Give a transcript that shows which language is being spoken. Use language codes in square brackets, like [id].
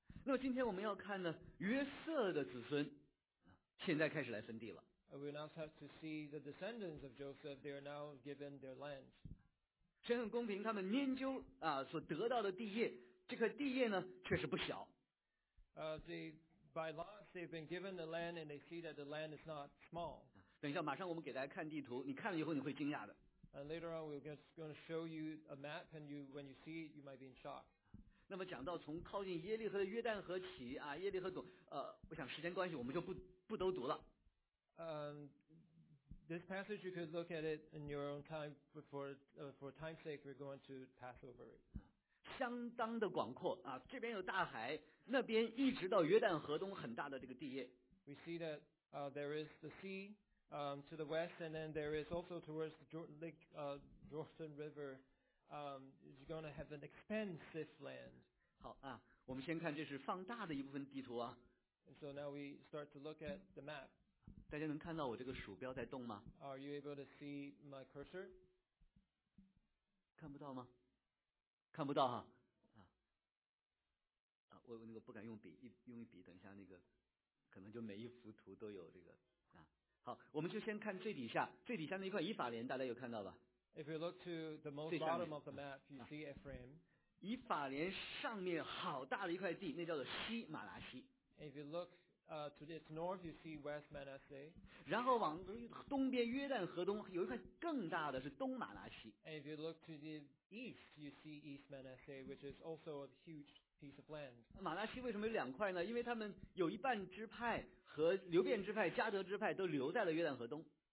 [zh] 那么今天我们要看呢，约瑟的子孙。现在开始来分地了。 [en] We now have to see the descendants of Joseph. They are now given their lands. [zh] 神很公平，他们研究啊所得到的地业，这块地业呢确实不小。 [en] By lot they've been given the land, and they see that the land is not small. [zh] 等一下，马上我们给大家看地图，你看了以后你会惊讶的。 [en] And later on, we're just going to show you a map, and you, when you see it, you might be in shock. [zh] 那么讲到从靠近耶利河的约旦河起啊，耶利河东，我想时间关系，我们就不都读了。 [en] This passage you could look at it in your own time, but for time's sake, we're going to pass over it. [zh] 相当的广阔啊，这边有大海，那边一直到约旦河东很大的这个地业。 [en] We see that there is the sea to the west, and then there is also towards the Jordan River. It's going to have an expansive land. [zh] 好啊，我们先看这是放大的一部分地图啊。 [en] And so now we start to look at the map. [zh] 大家能看到我这个鼠标在动吗 [en] ？Are you able to see my cursor? [zh] 看不到吗？看不到哈。啊，我那个不敢用笔，用笔，等一下那个，可能就每一幅图都有这个啊。好，我们就先看最底下，最底下那一块以法莲，大家有看到吧？ [en] If you look to the most bottom of the map, you see Ephraim. [zh] 以法莲上面好大的一块地，那叫做西马拉西。 [en] If you look to its north, you see West Manasseh. [zh] 然后往东边约旦河东有一块更大的是东马拉西。 [en] If you look to the east, you see East Manasseh, which is also a huge piece of land. [zh] 马拉西为什么有两块呢？因为他们有一半支派和流便支派、加德支派都留在了约旦河东。